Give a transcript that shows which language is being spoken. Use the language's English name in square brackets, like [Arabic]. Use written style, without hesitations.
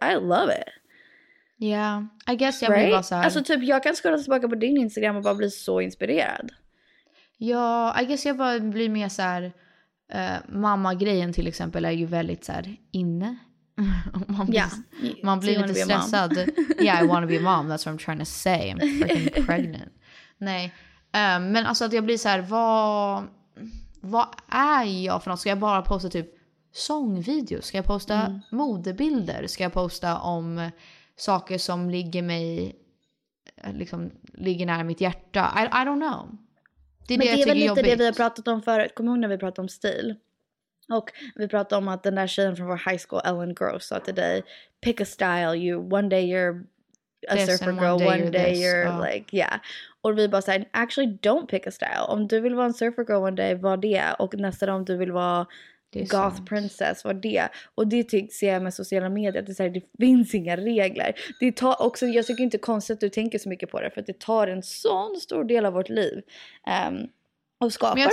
[English] I love it. Yeah, I guess [Swedish] jag blir bara så här. Alltså typ, jag kan scrolla tillbaka på din Instagram och bara bli så inspirerad. Ja, [English] yeah, I guess [Swedish] jag bara blir mer så här. Mamma-grejen till exempel är ju väldigt så här inne. man blir lite stressad. [English] Yeah, I wanna be a mom, that's what I'm trying to say. I'm freaking pregnant. [Swedish] Nej, men alltså att jag blir så här, vad är jag för något? Ska jag bara posta typ sångvideos? Ska jag posta modebilder? Ska jag posta om saker som ligger mig liksom ligger nära mitt hjärta? [English] I don't know. [Swedish] Det är väl lite jobbigt. Det vi har pratat om förut. Kommer ihåg när vi pratade om stil? Och vi pratade om att den där tjejen från vår [English] high school, Ellen Gross, [Swedish] sa till dig, [English] pick a style, you, one day you're a this surfer girl, one day you're this. Like, yeah. [Swedish] Och vi bara säger, [English] actually don't pick a style. [Swedish] Om du vill vara en [English] surfer girl one day, [Swedish] var det. Och nästa dag om du vill vara goth sant. Princess, var det. Och det ser jag med sociala medier, att det finns inga regler. Det tar också, jag tycker inte konstigt att du tänker så mycket på det, för att det tar en sån stor del av vårt liv. Och skapar Men jag